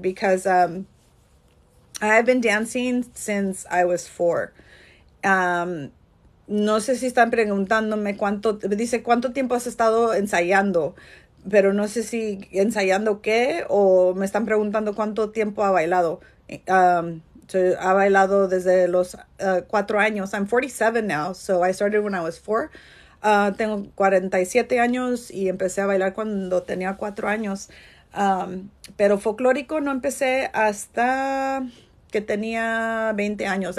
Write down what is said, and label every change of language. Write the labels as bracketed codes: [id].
[en] Because I have been dancing since I was 4. [es] No sé si están preguntándome cuánto, dice, ¿cuánto tiempo has estado ensayando? Pero no sé si ensayando qué, o me están preguntando cuánto tiempo ha bailado. So ha bailado desde los 4 años. [en] I'm 47 now, so I started when I was 4. [es] Tengo 47 años y empecé a bailar cuando tenía 4 años. Pero folclórico no empecé hasta que tenía 20 años.